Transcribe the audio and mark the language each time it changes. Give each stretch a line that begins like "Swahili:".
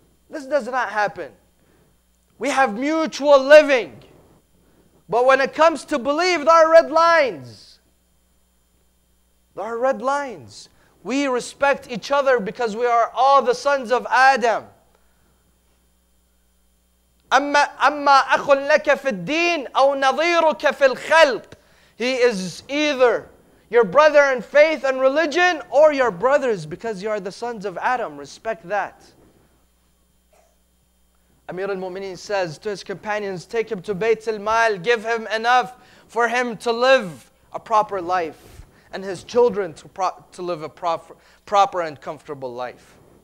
English: This does not happen. We have mutual living. But when it comes to belief, there are red lines. There are red lines. We respect each other because we are all the sons of Adam.
Arabic: أَمَّا أَخٌ لَكَ فِي الدِّينِ أَوْ نَظِيرُكَ فِي الْخَلْقِ.
English: He is either your brother in faith and religion or your brothers because you are the sons of Adam. Respect that. Amir al-Mu'mineen says to his companions, take him to Bayt al-Mal, give him enough for him to live a proper life and his children to live a proper and comfortable life.